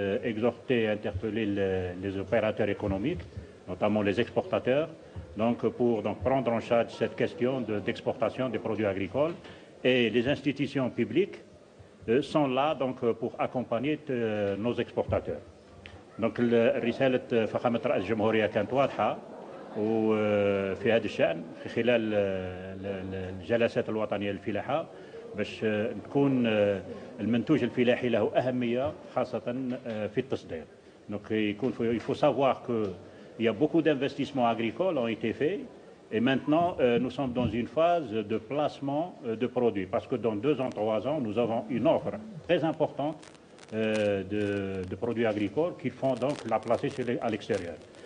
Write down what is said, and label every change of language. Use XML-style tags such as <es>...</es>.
<fr>Exhorter, interpeller les opérateurs économiques, notamment les exportateurs, donc pour donc prendre en charge cette question d'exportation des produits agricoles. Et les institutions publiques sont là donc pour accompagner nos exportateurs. Donc le</fr> <ar>رسالة فخامة رئيس الجمهورية كانت واضحة وفي هذا الشأن في خلال الجلسات الوطنية للفلاحة باش تكون المنتوج الفلاحي له أهمية خاصة في التصدير. دونك يكون</ar> <fr>il faut savoir que il y a beaucoup d'investissements agricoles ont été faits et maintenant nous sommes dans une phase de placement de produits parce que dans 2 ans, 3 ans nous avons une offre très importante de produits agricoles qu'il faut donc la placer à l'extérieur.</fr>